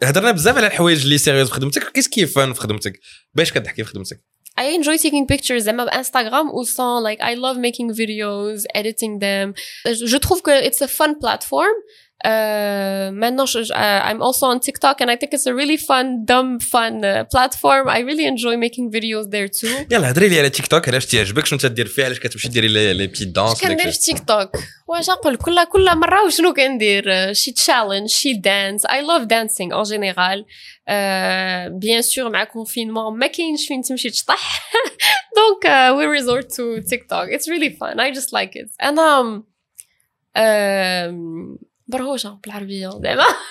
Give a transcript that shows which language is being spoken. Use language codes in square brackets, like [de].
[ar] هضرنا بزاف على الحوايج اللي سيريوز في خدمتك كيف كيف فان في خدمتك باش كتضحكي في خدمتك [en] I enjoy taking pictures [ar] زعما انستغرام و سون لايك [en] I love making videos editing them [fr] je trouve que [en] it's a fun platform maintenant I'm also on TikTok and I think it's a really fun dumb fun platform I really enjoy making videos there too [ar] يلا هضري لي على تيك توك علاش تيعجبك شنو تدير فيه علاش كتمشي ديري لي بي دانس كندير في تيك توك واش نقول كل مره وشنو كندير شي تشالنج شي دانس [en] I love dancing [fr] en general bien sûr [ar] مع confinement ما كاينش فين تمشي تشطح donc [en] we resort to TikTok it's really fun I just like it [ar] and برهوشه بالعربيه زعما